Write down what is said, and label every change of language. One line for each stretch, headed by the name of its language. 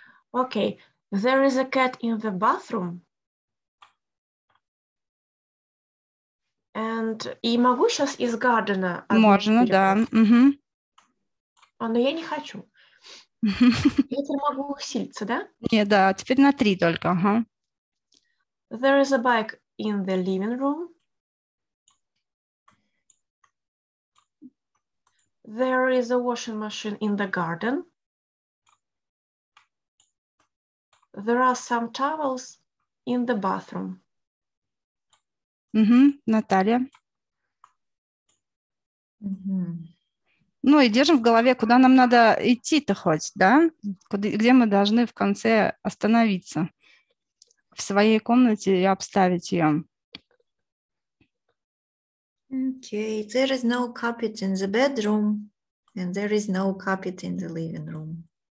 English: Окей. Okay. There is a cat in the bathroom.
Russian: And и могу сейчас из гардена? Можно, да. Но я не хочу. Я могу усилиться, да? Нет, да, теперь на три только.
English: There is a bike in the living room. There is a washing machine in the garden. There are some towels in the bathroom.
Russian: Наталья. Ну и держим в голове, куда нам надо идти-то хоть, да? Где мы должны в конце остановиться? В своей комнате и обставить ее.
English: Okay, there is no carpet in the bedroom. And there is no carpet in the living room.